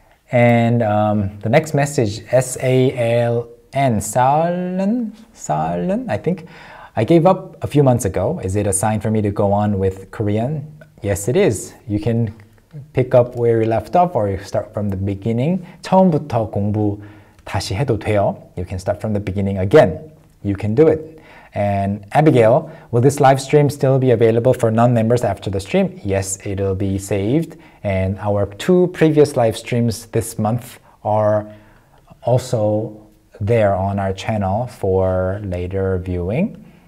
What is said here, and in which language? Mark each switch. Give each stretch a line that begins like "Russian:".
English: And the next message, S-A-L-N, Salen, Salen, I think. I gave up a few months ago. Is it a sign for me to go on with Korean? Yes, it is. You can pick up where you left off or you start from the beginning.
Korean: 처음부터 공부 다시 해도 돼요.
English: You can start from the beginning again. You can do it. And Abigail, will this live stream still be available for non-members after the stream? Yes, it'll be saved. And our two previous live streams this month are also there on our channel for later viewing.